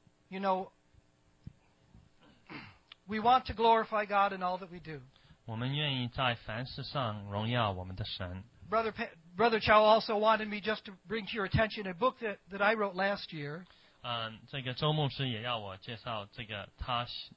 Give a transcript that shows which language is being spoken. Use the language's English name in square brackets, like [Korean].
[English] You know, we want to glorify God in all that we do. [Chinese] 我们愿意在凡事上荣耀我们的神。 [English] Brother Chow also wanted me just to bring to your attention a book that I wrote last year. [Chinese] 这个周牧师也要我介绍这个他。